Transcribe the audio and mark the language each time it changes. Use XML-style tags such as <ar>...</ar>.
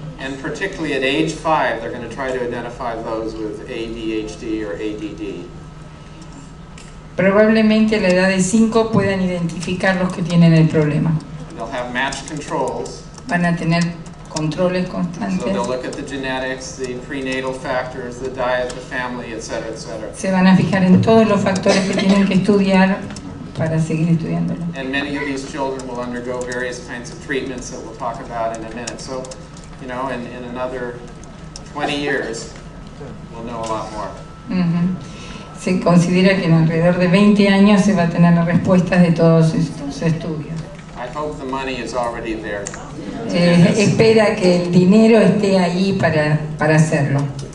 <en>And particularly at age 5, they're going to try to identify those with ADHD or ADD.</en> <es>Probablemente a la edad de 5 puedan identificar los que tienen el problema.</es> <en>They'll have matched controls.</en> <es>Van a tener controles constantes.</es> <en>So they'll look at the genetics, the prenatal factors, the diet, the family, etc., etc.</en> <es>Se van a fijar en todos los factores que tienen que estudiar para seguir estudiándolo.</es> <en>And many of these children will undergo various kinds of treatments that we'll talk about in a minute. So, you know, in another 20 years, we'll know a lot more. Mm-hmm.</en> <es>Se considera que en alrededor de 20 años se va a tener la respuesta de todos estos estudios.</es> <en>I hope the money is already there.</en> <es>Espera que el dinero esté ahí para hacerlo.</es>